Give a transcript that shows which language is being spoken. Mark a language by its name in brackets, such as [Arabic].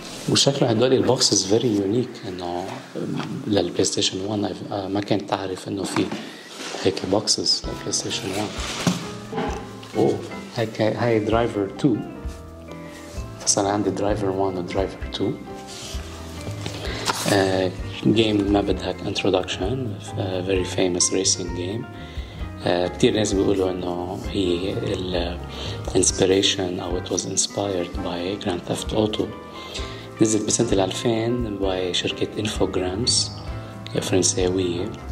[Arabic] وشكله هدول البوكسز [English] very unique, [Arabic] انه للبلاي ستيشن 1 ما كنت تعرف انه في هيك بوكسز للبلاي ستيشن 1. هاي درايفر 2، فصار عندي درايفر 1 ودرايفر 2. جيم ما بدها انتروداكشن، [English] Very famous racing game. [Arabic] كتير ناس بيقولوا إنه هي ال [English] inspiration [Arabic] أو [English] it was inspired by Grand Theft Auto. [Arabic] نزلت بسنة 2000 by شركة Infogrames فرنساوية.